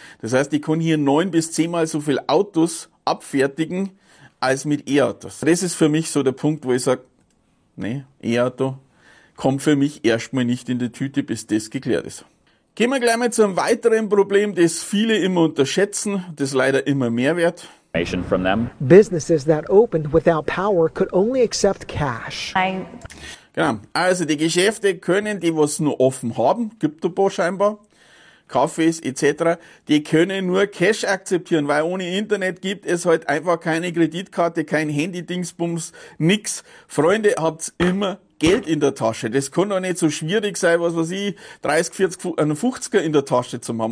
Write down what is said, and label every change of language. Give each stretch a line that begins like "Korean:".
German: Das heißt, ich kann hier 9 bis 10 Mal so viele Autos abfertigen als mit E-Autos. Das ist für mich so der Punkt, wo ich sage, nee, E-Auto kommt für mich erstmal nicht in die Tüte, bis das geklärt ist. Gehen wir gleich mal zu einem weiteren Problem, das viele immer unterschätzen, das leider immer mehr wird.
English: From them. Businesses that opened without power could only accept cash.
German: Genau, also die Geschäfte können, die was nur offen haben, gibt ein paar scheinbar, Cafés etc., die können nur Cash akzeptieren, weil ohne Internet gibt es halt einfach keine Kreditkarte, kein Handy-Dingsbums, nix. Freunde, habt's immer Geld in der Tasche. Das kann doch nicht so schwierig sein, was weiß ich, 30, 40, einen 50er in der Tasche zu haben.